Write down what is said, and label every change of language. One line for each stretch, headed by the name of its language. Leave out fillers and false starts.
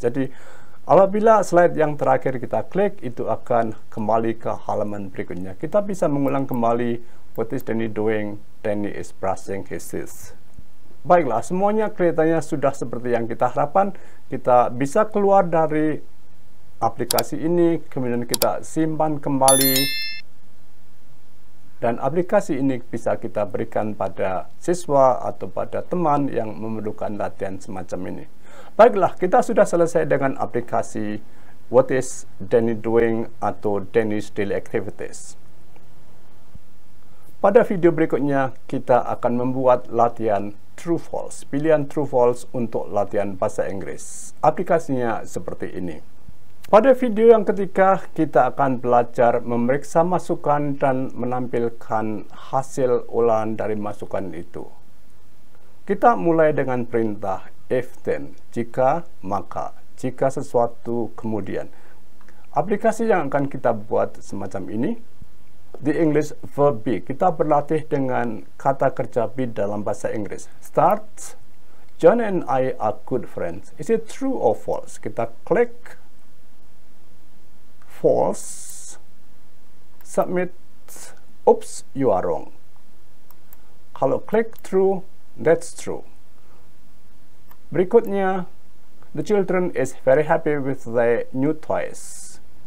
Indonesian: Jadi, apabila slide yang terakhir kita klik, itu akan kembali ke halaman berikutnya. Kita bisa mengulang kembali,
English: what is Danny doing? Danny is brushing his teeth.
Indonesian: Baiklah, semuanya kelihatannya sudah seperti yang kita harapkan. Kita bisa keluar dari aplikasi ini, kemudian kita simpan kembali. Dan aplikasi ini bisa kita berikan pada siswa atau pada teman yang memerlukan latihan semacam ini. Baiklah, kita sudah selesai dengan aplikasi What is Danny doing atau Danny's Daily Activities. Pada video berikutnya, kita akan membuat latihan True False, pilihan True False untuk latihan bahasa Inggris. Aplikasinya seperti ini. Pada video yang ketiga, kita akan belajar memeriksa masukan dan menampilkan hasil ulangan dari masukan itu. Kita mulai dengan perintah if then, jika maka, jika sesuatu kemudian. Aplikasi yang akan kita buat semacam ini,
English: the English verb be.
Indonesian: Kita berlatih dengan kata kerja be dalam bahasa Inggris.
English: Start, John and I are good friends. Is it true or false?
Indonesian: Kita klik
English: false, submit, oops, you are wrong.
Indonesian: Kalau klik
English: true, that's true.
Indonesian: Berikutnya,
English: the children is very happy with their new toys.